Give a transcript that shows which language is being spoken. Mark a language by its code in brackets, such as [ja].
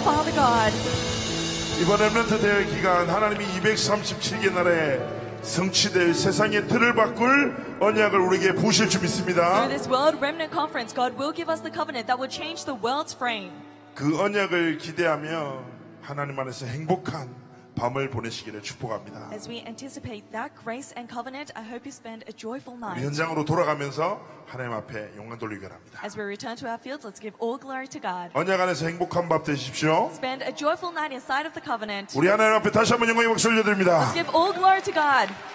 [ko] 이번 엠넌트 대회 기간 하나님이 237개 나라에 성취될 세상의 틀을 바꿀 언약을 우리에게 부으실 줄 믿습니다. [en] Through this World Remnant Conference, God will give us the covenant that will change the world's frame. [ko] 그 언약을 기대하며 하나님 안에서 행복한 밤을 보내시기를 축복합니다. [en] As we anticipate that grace and covenant, I hope you spend a joyful night. [ko] 우리 현장으로 돌아가면서 하나님 앞에 영광 돌리기 바랍니다. [en] As we return to our fields, let's give all glory to God. [ko] 언약 안에서 행복한 밤 되십시오. [en] Spend a joyful night inside of the covenant. [ko] 우리 하나님 앞에 다시 한번 영광의 박수 올려드립니다. [en] Let's give all glory to God.